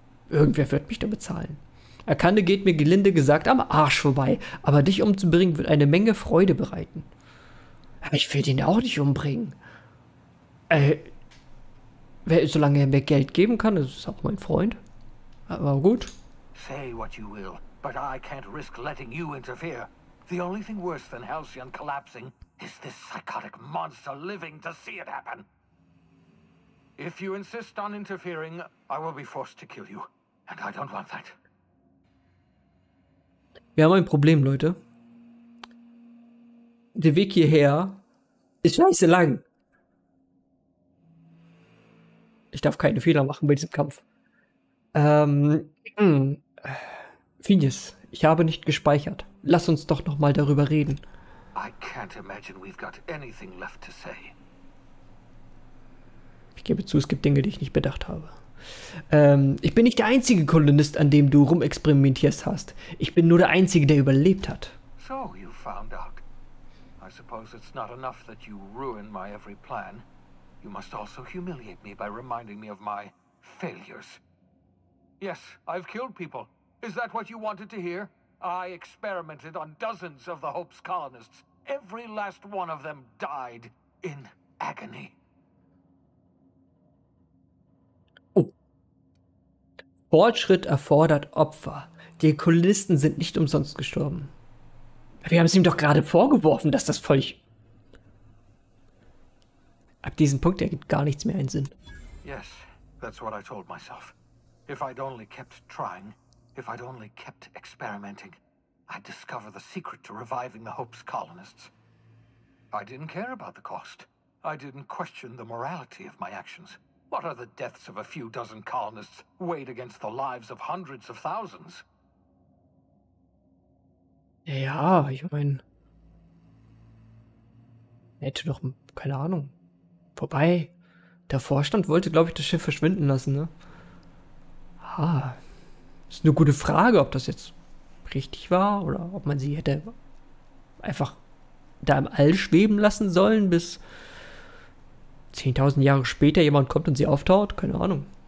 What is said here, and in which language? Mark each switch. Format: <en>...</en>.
<de>Irgendwer wird mich da bezahlen. Akande geht mir gelinde gesagt am Arsch vorbei, aber dich umzubringen wird eine Menge Freude bereiten. Aber ich will den auch nicht umbringen. Solange er mir Geld geben kann, das ist auch mein Freund. Aber gut.</de> <en>Say what you will, but I can't risk letting you interfere. The only thing worse than Halcyon collapsing is this psychotic monster living to see it happen. If you insist on interfering, I will be forced to kill you. And I don't want that.</en> <de>Wir haben ein Problem, Leute. Der Weg hierher ist scheiße lang. Ich darf keine Fehler machen bei diesem Kampf. Phineas, ich habe nicht gespeichert. Lass uns doch noch mal darüber reden.</de> <en>I can't imagine we've got anything left to say.</en> <de>Ich gebe zu, es gibt Dinge, die ich nicht bedacht habe. Ich bin nicht der einzige Kolonist, an dem du rumexperimentierst hast. Ich bin nur der einzige, der überlebt hat.</de> <en>So, you found out. I suppose it's not enough that you ruin my every plan. You must also humiliate me by reminding me of my failures. Yes, I've killed people. Is that what you wanted to hear? I experimented on dozens of the Hope's colonists. Every last one of them died in agony.</en> <de>Fortschritt erfordert Opfer. Die Kolonisten sind nicht umsonst gestorben. Wir haben es ihm doch gerade vorgeworfen, dass das völlig... Ab diesem Punkt ergibt gar nichts mehr einen Sinn.</de> <en>Yes, that's what I told myself. If I'd only kept trying, if I'd only kept experimenting, I'd discover the secret to reviving the Hope's colonists. I didn't care about the cost. I didn't question the morality of my actions. What are the deaths of a few dozen colonists weighed against the lives of hundreds of thousands?</en> <de>Ja, ich meine, hätte doch, keine Ahnung, vorbei. Der Vorstand wollte, glaube ich, das Schiff verschwinden lassen, ne? Ah, ist eine gute Frage, ob das jetzt richtig war oder ob man sie hätte einfach da im All schweben lassen sollen, bis 10.000 Jahre später jemand kommt und sie auftaucht, keine Ahnung.</de>